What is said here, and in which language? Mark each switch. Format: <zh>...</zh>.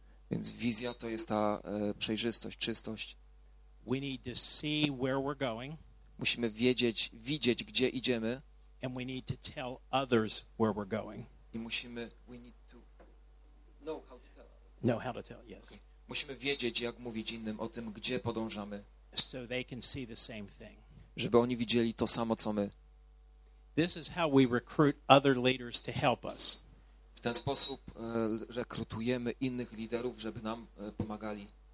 <pl>Więc wizja to jest ta przejrzystość, czystość.</pl> <en>We need to see where we're going.</en> <pl>Musimy widzieć gdzie idziemy.</pl> <en>And we need to tell others where we're going. We need to know how to tell. Okay.</en> <pl>Musimy wiedzieć, jak mówić innym o tym, gdzie podążamy.</pl> <en>So they can see the same thing.</en> <pl>Żeby oni widzieli to samo, co my.</pl> <en>This is how we recruit other leaders to help us.</en> <pl>W ten sposób rekrutujemy innych liderów, żeby nam pomagali.</pl>